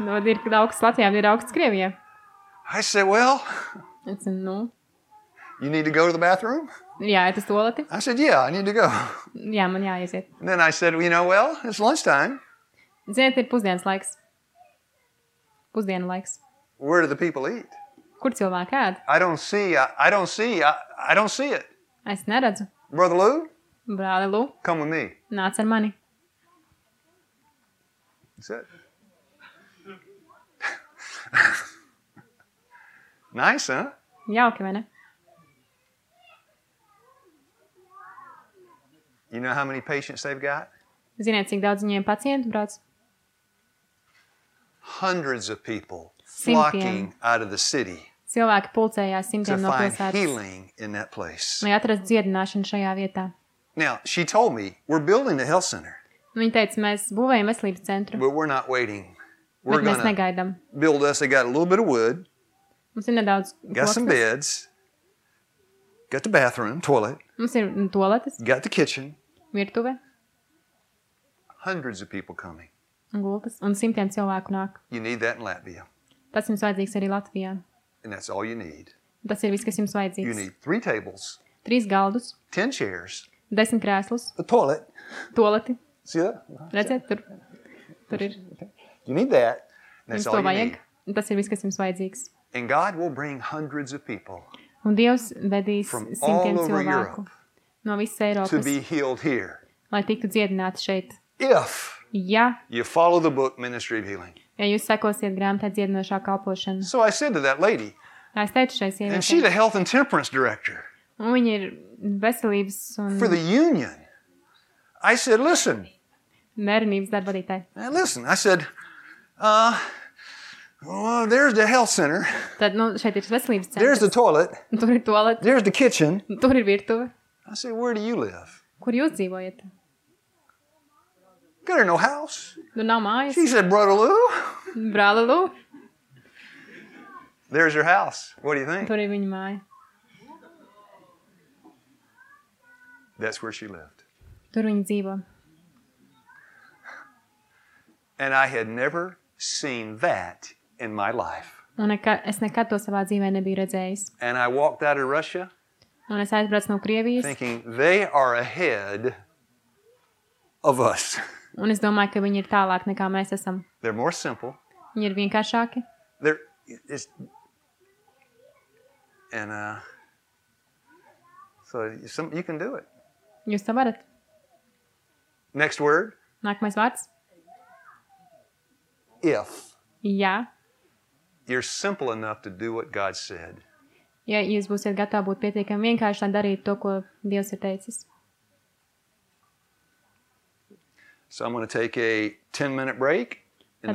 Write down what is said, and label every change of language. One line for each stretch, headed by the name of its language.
Latvian: No, ir augsts Latvijā, ir augsts Krievijā.
English: I said, well, it's a no. You need to go to the bathroom?
Latvian: Jāiet uz tualeti?
English: I said, yeah, I need to go.
Latvian: Jā, man jāiziet.
English: Then I said, well, you know, well, it's lunchtime.
Latvian: Ziniet, ir pusdienas laiks. Pusdienu laiks.
English: Where do the people eat?
Latvian: Kur cilvēki ēd?
English: I don't see it.
Latvian: Es neredzu.
English: Brother Lou?
Latvian: Brāli Lou.
English: Come with me.
Latvian: Nāc ar mani.
English: That's it. Nice, huh?
Latvian: Jauki, vai ne?
English: You know how many patients they've got?
Latvian: Ziniet, cik daudz viņiem pacientu brauc?
English: Hundreds of people flocking out of the city.
Latvian: Cilvēki pulcējās simtiem no pilsētas.
English: To find healing in that place.
Latvian: Lai atrastu dziedināšanu šajā vietā.
English: Now, she told me, we're building a health center.
Latvian: Viņa teica, mēs būvējam veselības centru.
English: But we're not waiting.
Latvian: Bet mēs negaidam.
English: Build us, I got a little bit of wood.
Latvian: Mums ir nedaudz
English: got some beds. Got the bathroom, toilet.
Latvian: Mums ir tualetes.
English: Got the kitchen.
Latvian: Virtuve.
English: Hundreds of people coming.
Latvian: Gultas. Un simtiem cilvēku nāk.
English: You need that in Latvia.
Latvian: Tas jums vajadzīgs arī Latvijā.
English: And that's all you need.
Latvian: Tas ir viss, kas jums vajadzīgs.
English: You need 3 tables.
Latvian: 3 galdus.
English: 10 chairs.
Latvian: 10 krēslus.
English: A toilet.
Latvian: Tualeti.
English: See that?
Latvian: Redziet, tur ir.
English: You need that. And that's all you
Latvian: vajag.
English: Need.
Latvian: Tas ir viss, kas jums vajadzīgs.
English: And God will bring hundreds of people.
Latvian: Un Dievs vedīs simtiem cilvēku no visas Eiropas.
English: To be healed here.
Latvian: Lai tiktu dziedināti šeit.
English: If.
Latvian: Ja.
English: You follow the book Ministry of Healing.
Latvian: Ja jūs sekosiet grāmatā dziedinošā kalpošana.
English: So I said to that lady.
Latvian: Es teicu šai sievietei.
English: And she the health and temperance director.
Latvian: Un viņa ir veselības un
English: for the union. I said, listen.
Latvian: Mērenības darba vadītāji.
English: Listen, I said, well, there's the health center.
Latvian: Tad, nu, šeit ir veselības centrs.
English: There's the toilet.
Latvian: Tur ir tualete.
English: There's the kitchen.
Latvian: Tur ir virtuve.
English: I said, where do you live?
Latvian: Kur jūs dzīvojat?
English: Got her no house.
Latvian: Nu, nav mājas.
English: She said, brother Lou.
Latvian: Brāli Lou.
English: There's your house. What do you think?
Latvian: Tur ir viņa māja.
English: That's where she lived.
Latvian: Tur viņa dzīvo.
English: And I had never seen that in my life.
Latvian: Un es nekad to savā dzīvē nebiju redzējis.
English: And I walked out of Russia.
Latvian: Un es aizbraucu no Krievijas.
English: Thinking they are ahead of us.
Latvian: Un es domāju, ka viņi ir tālāk nekā mēs esam.
English: They're more simple.
Latvian: Viņi ir vienkāršāki.
English: They're it's and so you can do it.
Latvian: Jūs to varat.
English: Next word.
Latvian: Nākamais vārds.
English: If.
Latvian: Ja.
English: You're simple enough to do what God said.
Latvian: Ja jūs būsiet gatavi būt pietiekami vienkārši, lai darītu to, ko Dievs ir teicis.
English: So I'm going to take a 10-minute break, and